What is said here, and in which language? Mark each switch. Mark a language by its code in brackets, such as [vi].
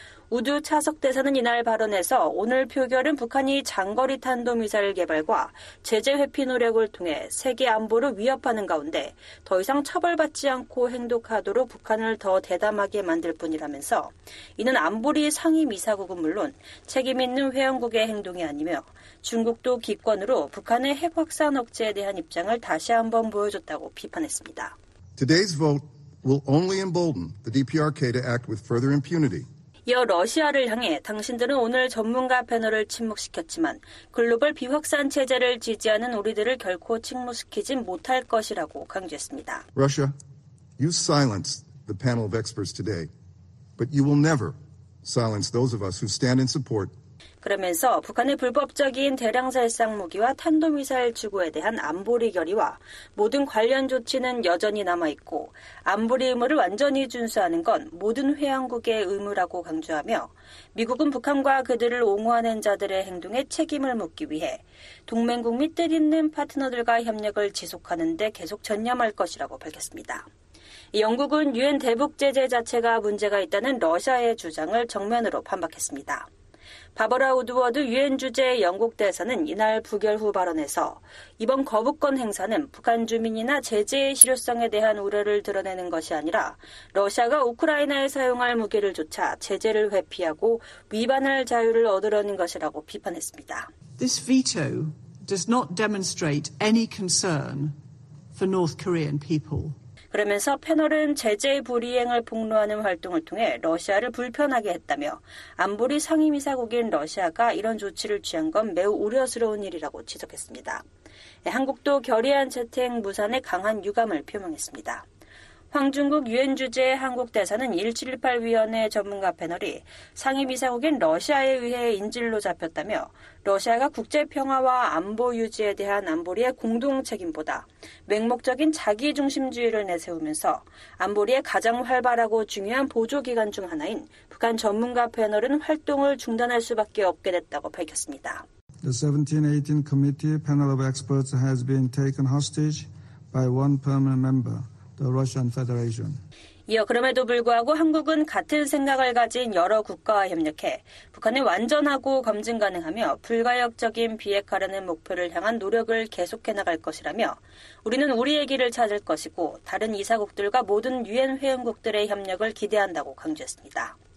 [ko] 우두 차석 대사는 이날 발언에서 오늘 표결은 북한이 장거리 탄도미사일 개발과 제재 회피 노력을 통해 세계 안보를 위협하는 가운데 더 이상 처벌받지 않고 행동하도록 북한을 더 대담하게 만들 뿐이라면서 이는 안보리 상임이사국은 물론 책임 있는 회원국의 행동이 아니며 중국도 기권으로 북한의 핵 확산 억제에 대한 입장을 다시 한번 보여줬다고 비판했습니다. [en] Today's vote will only embolden the DPRK to act with further impunity. [ko] 이어 러시아를 향해 당신들은 오늘 전문가 패널을 침묵시켰지만 글로벌 비확산 체제를 지지하는 우리들을 결코 침묵시키진 못할 것이라고 강조했습니다. [en] Russia, you silenced the panel of experts today, but you will never silence those of us who stand in support. [ko] 그러면서 북한의 불법적인 대량살상 무기와 탄도미사일 추구에 대한 안보리 결의와 모든 관련 조치는 여전히 남아있고 안보리 의무를 완전히 준수하는 건 모든 회원국의 의무라고 강조하며 미국은 북한과 그들을 옹호하는 자들의 행동에 책임을 묻기 위해 동맹국 및 뜻 있는 파트너들과 협력을 지속하는 데 계속 전념할 것이라고 밝혔습니다. 영국은 유엔 대북 제재 자체가 문제가 있다는 러시아의 주장을 정면으로 반박했습니다. 바버라 우드워드 유엔 주재 영국 대사는 이날 부결 후 발언에서 이번 거부권 행사는 북한 주민이나 제재의 실효성에 대한 우려를 드러내는 것이 아니라 러시아가 우크라이나에 사용할 무기를 조차 제재를 회피하고 위반할 자유를 얻으려는 것이라고 비판했습니다. [en] This veto does not demonstrate any concern for North Korean people. [ko] 그러면서 패널은 제재 불이행을 폭로하는 활동을 통해 러시아를 불편하게 했다며 안보리 상임이사국인 러시아가 이런 조치를 취한 건 매우 우려스러운 일이라고 지적했습니다. 한국도 결의안 채택 무산에 강한 유감을 표명했습니다. 황중국 유엔 주재 한국 대사는 1718위원회 전문가 패널이 상임이사국인 러시아에 의해 인질로 잡혔다며 러시아가 국제평화와 안보 유지에 대한 안보리의 공동 책임보다 맹목적인 자기중심주의를 내세우면서 안보리의 가장 활발하고 중요한 보조기관 중 하나인 북한 전문가 패널은 활동을 중단할 수밖에 없게 됐다고 밝혔습니다. [en] The 1718 committee panel of experts has been taken hostage by one permanent member. The Russian Federation. [ko] 이어 그럼에도 불구하고 한국은 같은 생각을 가진 여러 국가와 협력해 북한의 완전하고 검증 가능하며 불가역적인 비핵화라는 목표를 향한 노력을 계속해 나갈 것이라며 우리는 우리의 길을 찾을 것이고 다른 이사국들과 모든 유엔 회원국들의 협력을 기대한다고 강조했습니다.